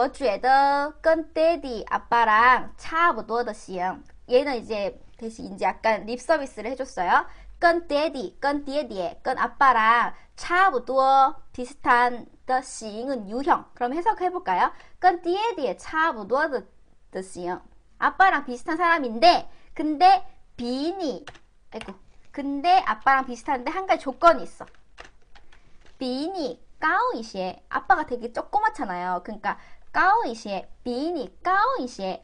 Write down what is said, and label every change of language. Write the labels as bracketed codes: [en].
[zh] 我觉得跟爹地差不多的行，再比你高一些。我觉得跟爹地 [ko] 아빠랑 [zh] 差不多的行. [ko] 얘는 이제 대신 이제 약간 립 서비스를 해줬어요. [zh] 跟爹地，跟爹地，跟 [ko] 아빠랑 [zh] 差不多 [ko] 비슷한 [zh] 的 行은 유형. [ko] 그럼 해석해볼까요? [zh] 跟爹地差不多的行. [ko] 아빠랑 비슷한 사람인데, 근데 비니, 아이고, 근데 아빠랑 비슷한데 한 가지 조건이 있어. 비니 까오이시에. 아빠가 되게 조그맣잖아요. 그러니까 까오이시에. 비니 까오이시에.